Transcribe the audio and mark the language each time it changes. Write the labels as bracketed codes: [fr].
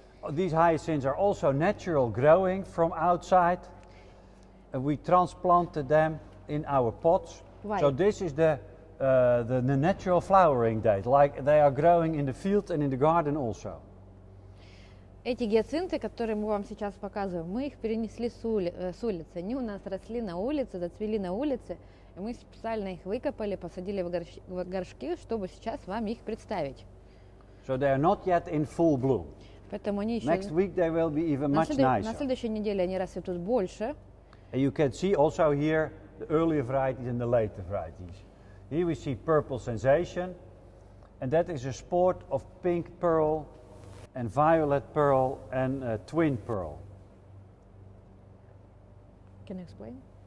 [en] These hyacinths are also natural growing from outside. And we transplanted them in our pots. Right. So this is the natural flowering date, like they are growing in the field and in the garden also. [ru] Эти гиацинты, которые мы вам сейчас показываем, мы их перенесли с улицы. Они у нас росли на улице, зацвели на улице, и мы специально их выкопали, посадили в горшки, чтобы сейчас вам их представить. [en] So they are not yet in full bloom. [ru] Поэтому они еще... [en] Next week they will be even much nicer. [ru] На следующей неделе они расцветут больше. [en] And you can see also here the earlier varieties and the later varieties. Here we see purple sensation, and that is a spot of pink pearl and violet pearl and twin pearl. Can you explain?